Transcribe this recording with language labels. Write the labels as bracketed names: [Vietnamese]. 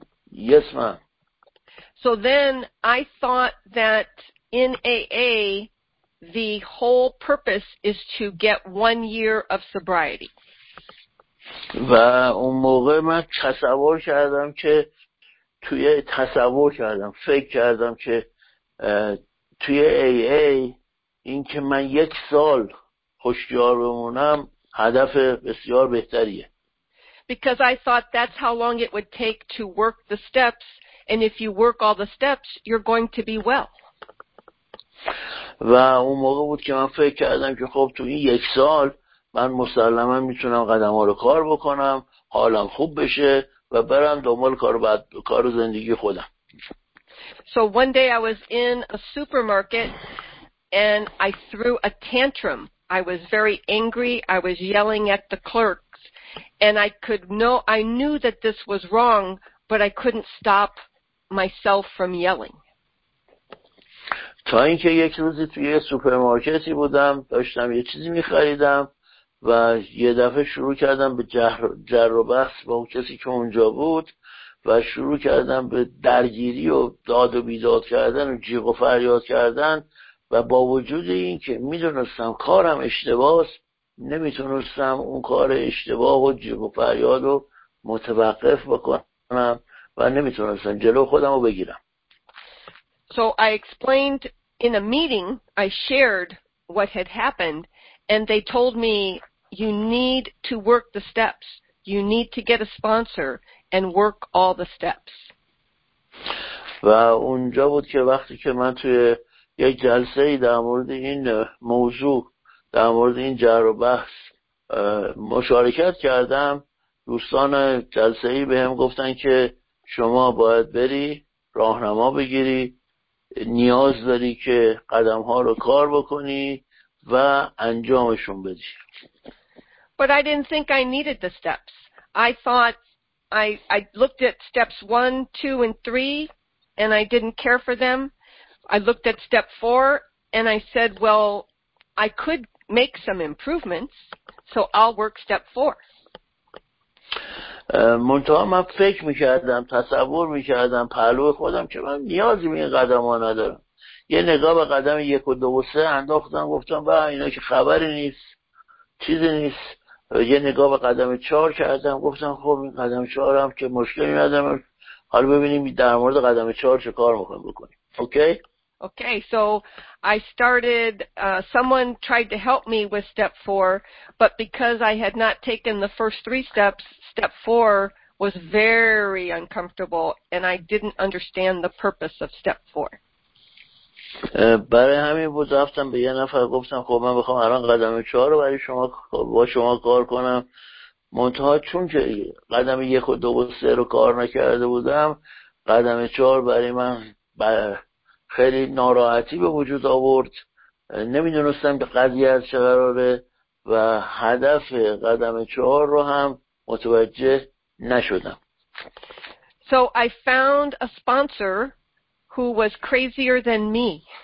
[English] Yes, ma'am. So then I thought that in AA the whole purpose is to get 1 year of sobriety. [Persian] و اون موقع من تصور کردم که توی تصور کردم فکر کردم که توی AA این که من یک سال هوشیار بمونم هدف بسیار بهتریه. [English] Because I thought that's how long it would take to work the steps and if you work all the steps you're going to be well. [Persian] و اون موقع بود که من فکر کردم که خب تو این یک سال من مسلما میتونم قدم‌ها رو کار بکنم، حالم خوب بشه و برم دنبال کار بعد کار زندگی خودم. [English] So one day I was in a supermarket and I threw a tantrum. I was very angry. I was yelling at the clerks and I knew that this was wrong, but I couldn't stop myself from yelling. [Persian] تا اینکه یک روزی توی سوپرمارکتی بودم، داشتم یه چیزی می‌خریدم و یه دفعه شروع کردم به جر و بحث با اون کسی که اونجا بود و شروع کردن به درگیری و داد و بیداد کردن و جیغ و فریاد کردن و با وجود این که میدونستم کارم اشتباه است، نمیتونستم اون کار اشتباه و جیغ و فریاد رو متوقف بکنم و نمیتونستم جلو خودم رو بگیرم. [English] So I explained in a meeting, I shared what had happened, and they told me, you need to work the steps. You need to get a sponsor and work all the steps. [Persian] و اونجا بود که وقتی که من توی یک جلسه در مورد این موضوع، در مورد این جر و بحث مشارکت کردم، دوستان جلسه ای به هم گفتن که شما باید بری، راهنما بگیری، نیاز داری که قدم ها رو کار بکنی و انجامشون بدی. [English] But I didn't think I needed the steps. I thought I looked at steps 1, 2 and 3 and I didn't care for them. I looked at step 4 and I said, well, I could make some improvements, so I'll work step 4. [Persian] منتها من فکر میکردم، تصور میکردم پهلو خودم که من نیازی به این قدم ها ندارم. یه نگاه به قدم یک و دو و سه انداختم، گفتم و اینا که خبری نیست، چیزی نیست. یه نگاه به قدم چهار کردم، گفتم خب این قدم چهار هم که مشکلی ندارم، حالا ببینیم در مورد قدم چهار چه کار میخوایم بکنیم. [English] Okay, so I started, someone tried to help me with step four, but because I had not taken the first three steps, step four was very uncomfortable, and I didn't understand the purpose of step four. [Persian] برای همین بود رفتم به یه نفر گفتم خب من بخوام الان قدم چهار رو برای شما با شما کار کنم، منتها چون که قدم یک و دو و سه رو کار نکرده بودم، قدم چهار برای من خیلی ناراحتی به وجود آورد، نمیدونستم که قضیه از چه قراره و هدف قدم چهار رو هم متوجه نشدم. [English] So I found a sponsor who was crazier than me.